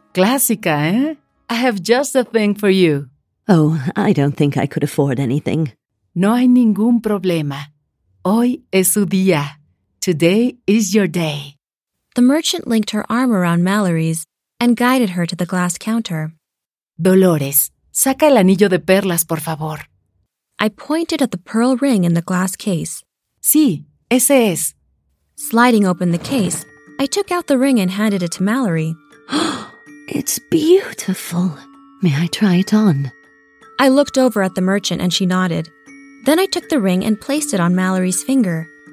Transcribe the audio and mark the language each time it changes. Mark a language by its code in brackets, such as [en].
[en] Classica, eh? I have just the thing for you. Oh, I don't think I could afford anything. [es] No hay ningún problema. Hoy es su día. [en] Today is your day. The merchant linked her arm around Mallory's and guided her to the glass counter. [es] Dolores, saca el anillo de perlas, por favor. [en] I pointed at the pearl ring in the glass case. [es] Sí, ese es. [en] Sliding open the case, I took out the ring and handed it to Mallory. It's beautiful. May I try it on? I looked over at the merchant and she nodded. Then I took the ring and placed it on Mallory's finger.